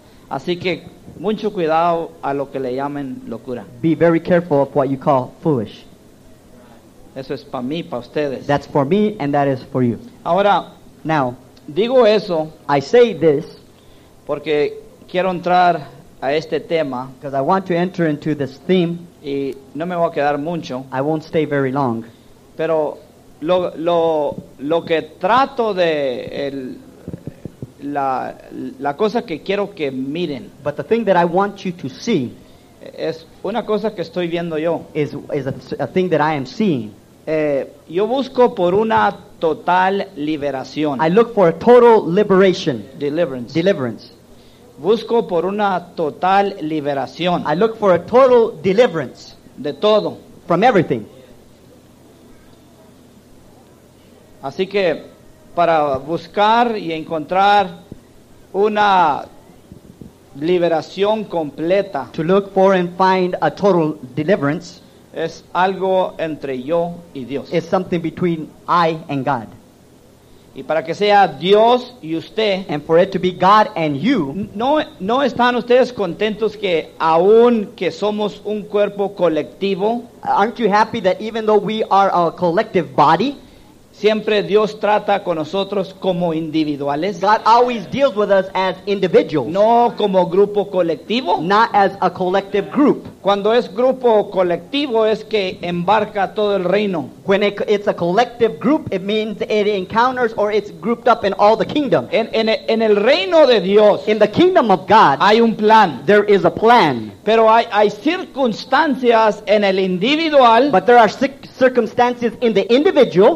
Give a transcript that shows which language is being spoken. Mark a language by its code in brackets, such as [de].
[es] Así que mucho cuidado a lo que le llamen locura. [en] Be very careful of what you call foolish. [es] Eso es para mí, para ustedes. [en] That's for me and that is for you. [es] Ahora, [en] now, [es] digo eso, [en] I say this [es] porque quiero entrar a este tema, [en] because I want to enter into this theme, [es] y no me voy a quedar mucho. [en] I won't stay very long. [es] Pero lo que trato de el, la cosa que quiero que miren, [en] but the thing that I want you to see, [es] es una cosa que estoy viendo yo, [en] is a thing that I am seeing. [es] Yo busco por una total liberación. [en] I look for a total liberation. Deliverance. Deliverance. [es] Busco por una total liberación. [en] I look for a total deliverance. [es] De todo. [en] From everything. [es] Así que para buscar y encontrar una liberación completa, [en] to look for and find a total deliverance, [es] es algo entre yo y Dios. [en] It's something between I and God. [es] Y para que sea Dios y usted, [en] and for it to be God and you, [es] no están ustedes contentos que aun que somos un cuerpo colectivo, [en] aren't you happy that even though we are a collective body, [es] siempre Dios trata con nosotros como individuales? [en] God always deals with us as individuals. [es] No como grupo colectivo. [en] Not as a collective group. [es] Cuando es grupo colectivo es que embarca todo el reino. [en] When it's a collective group, it means it encounters or it's grouped up in all the kingdom. [es] En el reino de Dios, [en] in the kingdom of God, [es] hay un plan. [en] There is a plan. [es] Pero hay circunstancias en el individual, [en] but there are circumstances in the individual,